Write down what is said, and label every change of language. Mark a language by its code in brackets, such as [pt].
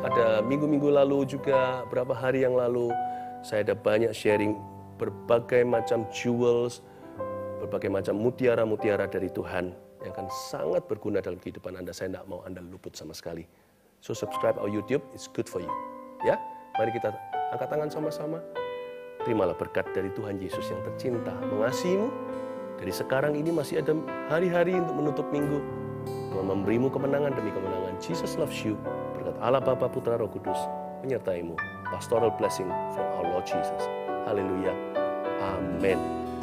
[id] Ada minggu-minggu lalu juga, beberapa hari yang lalu, saya ada banyak sharing berbagai macam jewels, berbagai macam mutiara-mutiara dari Tuhan yang akan sangat berguna dalam kehidupan Anda. Saya tidak mau Anda luput sama sekali. [en] So, subscribe our YouTube, it's good for you. [id] Ya, mari kita angkat tangan sama-sama. Terimalah berkat dari Tuhan Yesus yang tercinta, mengasihimu. Dari sekarang ini masih ada hari-hari untuk menutup minggu. Tuhan memberimu kemenangan demi kemenangan. Jesus loves you. Berkat Allah Bapa, Putra, Roh Kudus menyertaimu. [en] Pastoral blessing from our Lord Jesus. Haleluya. Amen.